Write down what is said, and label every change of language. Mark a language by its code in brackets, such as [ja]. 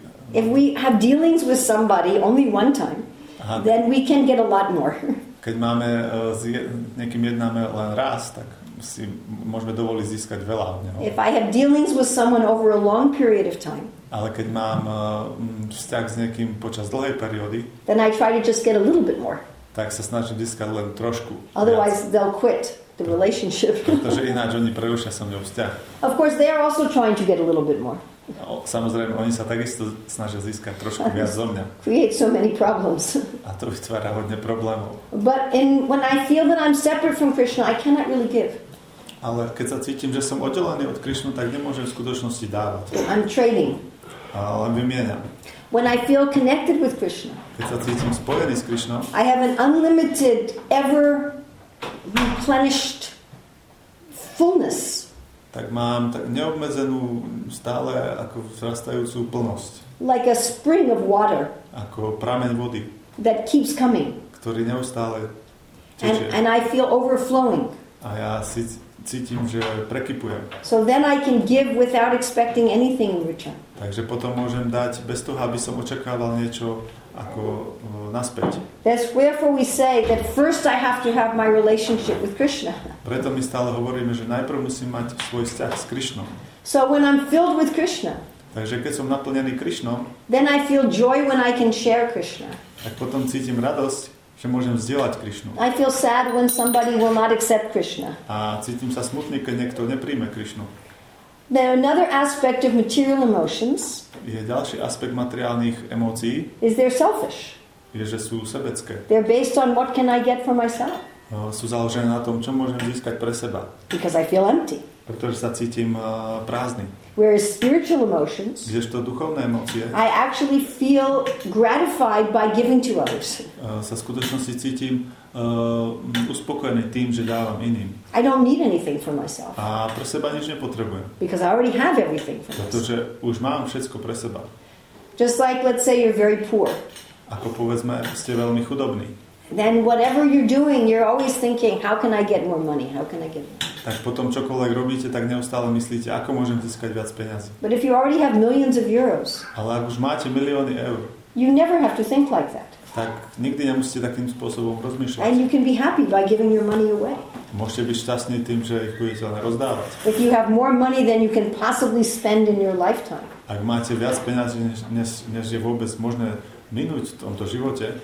[en] If we have dealings with somebody only one time, then we can get a lot more. [sk] Keď máme s niekým jednáme len raz, tak si môžeme dovoliť získať veľa od neho. [en] If I have dealings with someone over a long period of time, [sk] ale keď mám vzťah s niekým počas dlhej periódy, [en] then I try to just get a little bit more. [sk] Tak sa snažím získať len trošku. [en] Otherwise they'll quit the relationship. [sk] Pretože ináč oni prerušia so mnou vzťah. [en] Of course they are also trying to get a little bit more. [sk] Samozrejme, oni sa takisto snažia získať trošku viac zo mňa. [en] Create so many problems. [sk] A to vytvára hodne problémov. [en] But in, when I feel that I'm separate from Krishna, I cannot really give. [sk] Ale keď sa cítim, že som oddelený od Krishnu, tak nemôžem v skutočnosti dávať. [en] I'm trading. [sk] Ale vymieňam. [en] When I feel connected with Krishna, [sk] keď sa cítim spojený s Krishnou, [en] I have an unlimited, ever replenished fullness. [sk] Tak mám tak neobmedzenú, stále ako vzrastajúcu plnosť. [en] Like a spring of water. [sk] Ako prameň vody. [en] That keeps coming. [sk] Ktorý neustále tečie. [en] And I feel overflowing. [sk] A ja si cítim, že prekypujem. [en] So then I can give without expecting anything in return. [sk] Takže potom môžem dať bez toho, aby som očakával niečo ako naspäť. [en] That's wherefore we say that first I have to have my relationship with Krishna. [sk] Preto my stále hovoríme, že najprv musím mať svoj vzťah s Krishnou. [en] So when I'm filled with Krishna. [sk] Takže keď som naplnený Krishnou. [en] Then I feel joy when I can share Krishna. [sk] Tak potom cítim radosť, že môžem zdieľať Krishnu. [en] I feel sad when somebody will not accept Krishna. [sk] A cítim sa smutný, keď niekto nepríjme Krishnu. [en] Now another aspect of material emotions. [sk] Je ďalší aspekt materiálnych emócií. [en] Is they're selfish. [sk] Je, že sú sebecké. [en] They're based on what can I get for myself. [sk] Sú založené na tom, čo môžem získať pre seba. [en] Because I feel empty. [sk] Pretože sa cítim prázdny. [en] Whereas spiritual emotions. [sk] Kdežto duchovné emócie. [en] I actually feel gratified by giving to others. [sk] Sa v skutočnosti cítim uspokojený tým, že dávam iným. [en] I don't need anything for myself. [sk] A pre seba nič nepotrebujem. [en] Because I already have everything for myself. [sk] Pretože už mám všetko pre seba. [en] Just like, let's say you're very poor. [sk] Ako povedzme, ste veľmi chudobní. [en] Then whatever you're doing, you're always thinking, how can I get more money? How can I get more? [sk] Tak potom čokoľvek robíte, tak neustále myslíte, ako môžem získať viac peňazí. [en] But if you already have millions of euros. [sk] Ale ak už máte milióny eur. [en] You never have to think like that. [sk] Tak nikdy nemusíte takým spôsobom rozmýšľať. [en] And you can be happy by giving your money away. [sk] Môžete byť šťastný tým, že ich budete len rozdávať. [en] If you have more money than you can possibly spend in your lifetime. [sk] Ak máte viac peňazí, než je vôbec možné minúť v tomto živote.